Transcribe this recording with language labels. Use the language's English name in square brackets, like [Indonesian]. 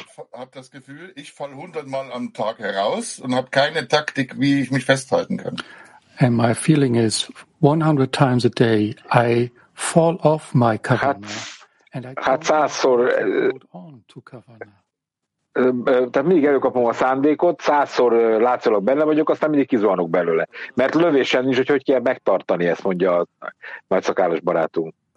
[German] Hab das Gefühl, ich fall 100 mal am Tag heraus und habe keine Taktik, wie ich mich festhalten kann. [English] And my feeling is 100 times a day I fall off my kavana and I can't hold on to kavana. [Hungarian] Tehát mindig előkapom a szándékot, százszor látszólag benne vagyok, aztán mindig kizuhanok belőle. Mert lövésen nincs, hogy kell megtartani, ezt mondja a nagy szakállas barátunk.